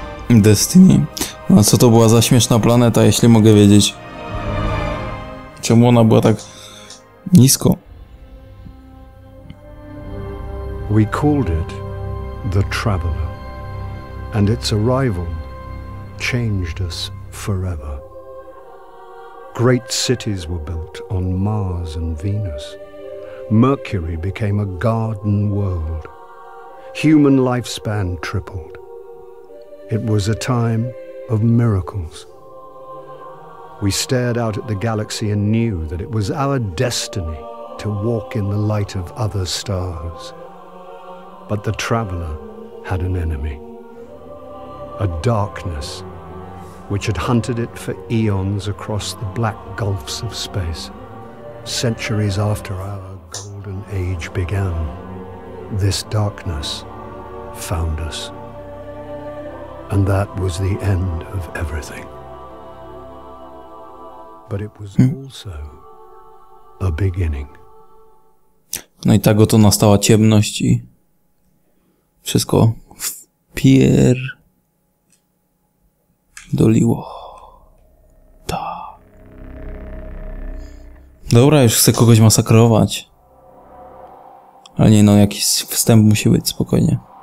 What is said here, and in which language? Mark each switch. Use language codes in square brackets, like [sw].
[pl] Destiny. No co to była za śmieszna planeta, jeśli mogę wiedzieć? Czemu ona była tak nisko? [en] We called it the Traveler, and its arrival changed us forever. Great cities were built on Mars and Venus. Mercury became a garden world. Human lifespan tripled. It was a time of miracles. We stared out at the galaxy and knew that it was our destiny to walk in the light of other stars. But the Traveler had an enemy. A darkness which had hunted it for eons across the black gulfs of space. Centuries after our golden age began, this darkness found us. And that was the end of everything. But it was also a beginning. [pl] No i tak oto nastała ciemność i wszystko wpierdoliło. Dobra, już chcę kogoś masakrować. Ale nie, no jakiś wstęp musi być, spokojnie.